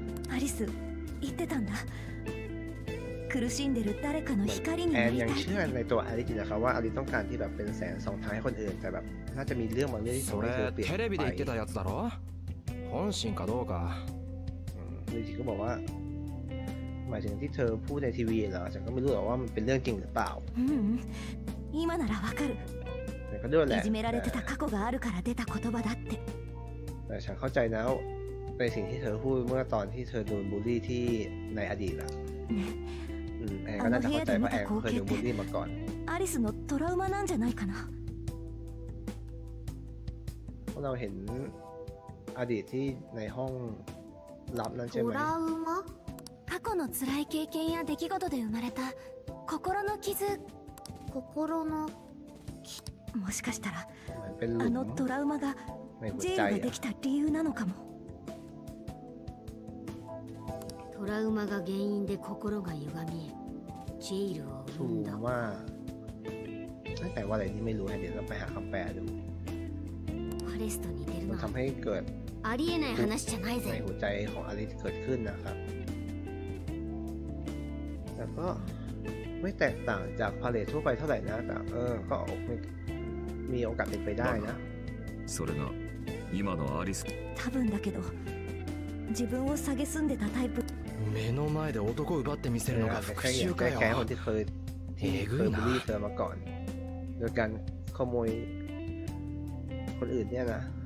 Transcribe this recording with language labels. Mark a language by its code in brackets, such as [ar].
[ja] アリス、言ってたんだ。苦しんでる誰かの光になりたい。 [th] แอนยังเชื่อในตัวอาริจินะครับว่าอาริต้องการที่แบบเป็นแสงส่องทางให้คนอื่นแต่แบบน่าจะมีเรื่องบางเรื่องที่ทำให้เธอเปลี่ยนไป。 [ja] テレビで言ってたやつだろ。本心かどうか。 [th] ลูจิก็บอกว่าหมายถึงที่เธอพูดในทีวีเหรอฉันก็ไม่รู้หรอกว่ามันเป็นเรื่องจริงหรือเปล่า。 [ja] 今ならわかる。 [th] แต่ก็ด้วยแหละ。 [ja] いじめられてた過去があるから出た言葉だって。 [th] แต่ฉันเข้าใจแล้วในสิ่งที่เธอพูดเมื่อตอนที่เธอโดนบูลลี่ที่ในอดีตอ่ะ。 แอนก็น่าจะเข้าใจว่าแอนเคยโดนบูลลี่มาก่อน。 [ja] アリスのトラウマなんじゃないかな。 [th] เราเห็นอดีตที่ในห้องลับนั่นใช่ไหม [ja] トラウマ過去の辛い経験や出来事で生まれた心の傷心のもしかしたらあのトラウマがジェイができた理由なのかもトラウマが原因で心が歪みジェイルを生んだまあ何か言われてみるわけでパレファレストに出るなありえない話じゃないぜ。 [th] ในหัวใจของอลิซเกิดขึ้นนะครับแต่ก็ไม่แตกต่างจากพาเลททั่วไปเท่าไหร่นะแต่เออก็มีโอกาสเป็นไปได้นะ [ja] それが今のアリス多分だけど自分を下げすんでたタイプ目の前で男奪ってみせるのが復讐かよ。 [th] แค่คนที่เคย บู ลลี่เธอมาก่อนโดยการขโมยคนอื่นเนี่ยนะ